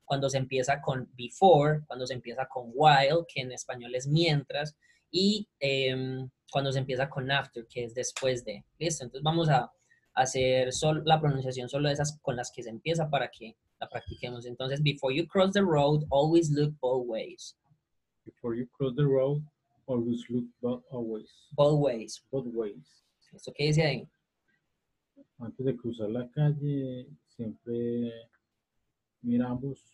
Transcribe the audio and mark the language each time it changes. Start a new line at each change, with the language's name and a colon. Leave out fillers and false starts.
Spanish: cuando se empieza con before, cuando se empieza con while, que en español es mientras, y cuando se empieza con after, que es después de. ¿Listo? Entonces vamos a hacer la pronunciación solo de esas con las que se empieza para que la practiquemos.
English: Entonces, before you cross the road, always look both ways. Before you cross the road, always look always. Both ways. Both ways.
Spanish: ¿Eso qué dice ahí? Antes de cruzar la calle, siempre mira ambos.